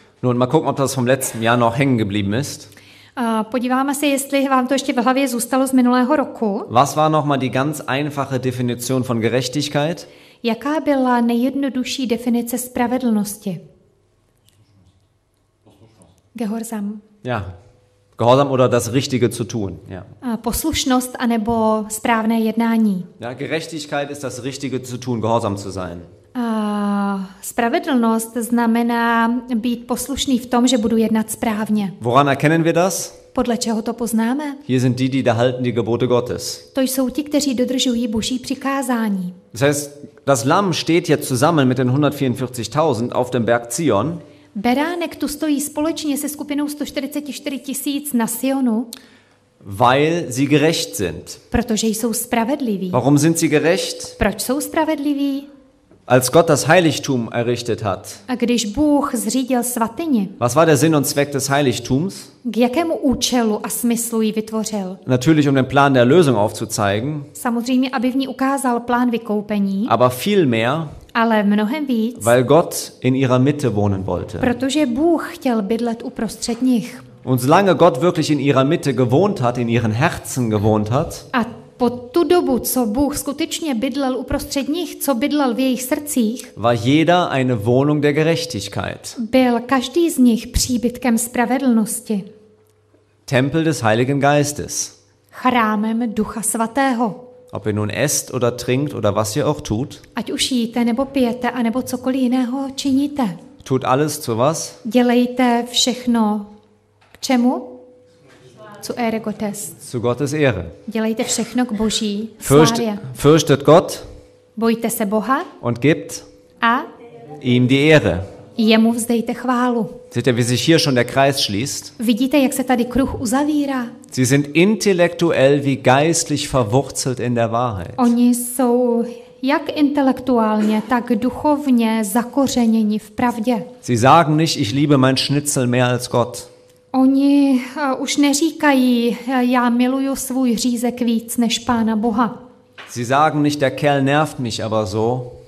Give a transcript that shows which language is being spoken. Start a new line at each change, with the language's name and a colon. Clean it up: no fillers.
German: Nun, mal gucken, ob das vom letzten Jahr noch hängen geblieben ist.
Czech: Podíváme se, jestli vám to ještě v hlavě zůstalo z minulého roku.
German: Was war noch mal die ganz einfache Definition von Gerechtigkeit?
Czech: Jaká byla nejjednodušší definice spravedlnosti?
German: Gehorsam. Ja. Gehorsam oder das Richtige zu tun. Ja.
Czech: Poslušnost anebo správné jednání.
German: Ja, Gerechtigkeit ist das Richtige zu tun, gehorsam zu sein.
Czech: Spravedlnost znamená být poslušný v tom, že budu jednat správně.
German: Woran erkennen wir das?
Czech: Podle čeho to poznáme?
German: Hier sind die, die da halten die Gebote Gottes.
Czech: To jsou ti, kteří dodržují Boží přikázání.
German: Das heißt, das Lamm steht hier zusammen mit den 144.000 auf dem Berg Zion.
Czech: Beránek tu stojí společně se skupinou 144 tisíc na Sionu.
German: Weil sie gerecht sind.
Czech: Protože jsou spravedliví.
German: Warum sind sie gerecht?
Czech: Proč jsou spravedliví?
German: Als Gott das Heiligtum errichtet hat.
Czech: A když Bůh zřídil svatyni.
German: Was war der Sinn und Zweck des Heiligtums?
Czech: K jakému účelu a smyslu ji vytvořil?
German: Natürlich um den Plan der Lösung aufzuzeigen.
Czech: Samozřejmě, aby v ní ukázal plán vykoupení.
German: Aber viel mehr.
Czech: Ale mnohem víc.
German: Weil Gott in ihrer Mitte wohnen wollte.
Czech: Protože Bůh chtěl bydlet uprostřed nich.
German: Und solange Gott wirklich in ihrer Mitte gewohnt hat, in ihren Herzen gewohnt hat.
Czech: A po tu dobu, co Bůh skutečně bydlel uprostřed nich, co bydlel v jejich srdcích,
German: war jeder eine Wohnung der Gerechtigkeit.
Czech: Byl každý z nich příbytkem spravedlnosti.
German: Tempel des Heiligen Geistes.
Czech: Chrámem Ducha Svatého.
German: Ob ihr nun esst oder trinkt oder was ihr auch tut.
Czech: Ať už jíte nebo pijete, anebo cokoliv jiného činíte.
German: Tut alles zu was?
Czech: Dělejte všechno k čemu?
German: Zu Ehre Gottes. Zu Gottes Ehre.
Czech: Dělejte všechno k Boží slávě.
German: Fürchtet Gott.
Czech: Bojte se Boha.
German: Und gibt.
Czech: A.
German: Ihm die Ehre.
Czech: Jemu vzdejte chválu.
German: Seht ihr, wie sich hier schon der Kreis schließt?
Czech: Vidíte, jak se tady kruh uzavírá?
German: Sie sind intellektuell wie geistlich verwurzelt in der Wahrheit.
Czech: Oni jsou jak intelektuálně, tak duchovně zakořeněni v pravdě.
German: Sie sagen nicht, ich liebe mein Schnitzel mehr als Gott.
Czech: Oni už neříkají, já miluju svůj řízek víc než Pána Boha.
German: Sie sagen nicht, der Kerl nervt mich aber so.